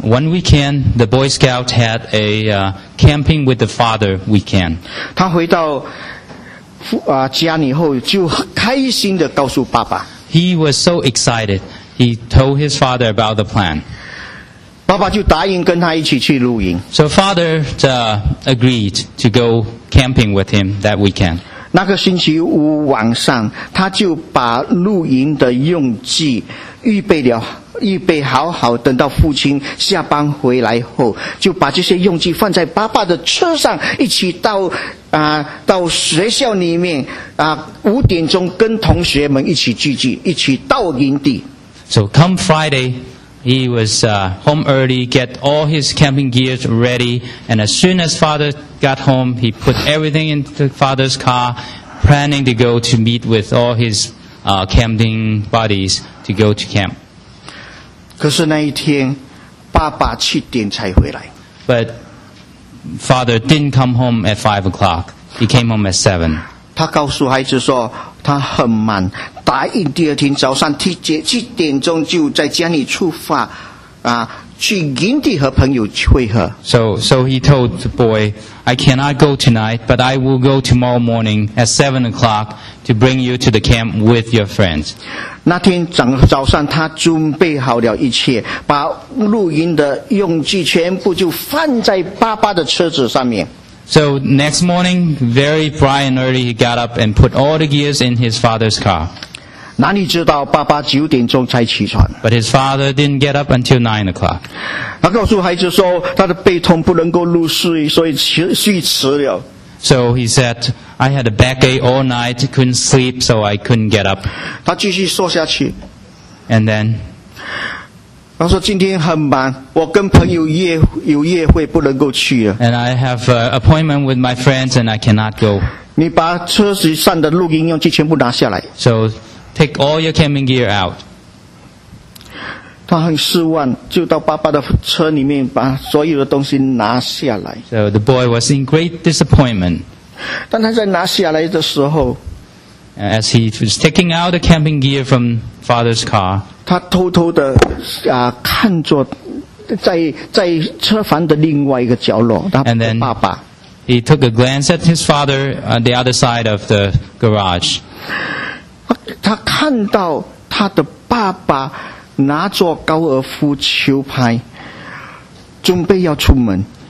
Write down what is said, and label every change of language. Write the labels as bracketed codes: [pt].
[en] One weekend, the Boy Scout had a camping with the father weekend. [zh] 他回到家里后就开心地告诉爸爸。 [en] He was so excited. He told his father about the plan. [zh] 爸爸就答应跟他一起去露营。 [en] So father agreed to go camping with him that weekend. [zh] 那个星期五晚上，他就把露营的用具预备了，预备好好，等到父亲下班回来后，就把这些用具放在爸爸的车上，一起到到学校里面五点钟跟同学们一起聚集，一起到营地。 [en] So come Friday, he was home early, get all his camping gears ready, and as soon as father got home, he put everything into father's car, planning to go to meet with all his camping buddies to go to camp. [zh] 可是那一天，爸爸七点才回来。 [en] But father didn't come home at 5 o'clock. He came home at 7. [zh] 他告诉孩子说他很忙，答应第二天早上七点钟就在家里出发，去营地和朋友会合。 [en] So he told the boy, I cannot go tonight, but I will go tomorrow morning at 7 o'clock to bring you to the camp with your friends. [zh] 那天早上他准备好了一切，把露营的用具全部就放在爸爸的车子上面。 [en] So next morning, very bright and early, he got up and put all the gears in his father's car. [zh] 哪里知道爸爸九点钟才起床。 [en] But his father didn't get up until 9 o'clock. [zh] 他告诉孩子说他的背痛不能够入睡，所以睡迟了。 [en] So he said, I had a backache all night, couldn't sleep, so I couldn't get up. [zh] 他继续说下去。 [en] And then... [zh] 他说今天很忙，我跟朋友有约会不能够去了。 [en] And I have an appointment with my friends and I cannot go. [zh] 你把车子上的露营用具全部拿下来。 [en] So take all your camping gear out. [zh] 他很失望，就到爸爸的车里面把所有的东西拿下来。 [en] So the boy was in great disappointment. [zh] 当他在拿下来的时候， [en] As he was taking out the camping gear from father's car, [zh] 他偷偷的看着在车房的另外一个角落，他的爸爸。 [en] He took a glance at his father on the other side of the garage. [zh] 他看到他的爸爸拿着高尔夫球拍，准备要出门。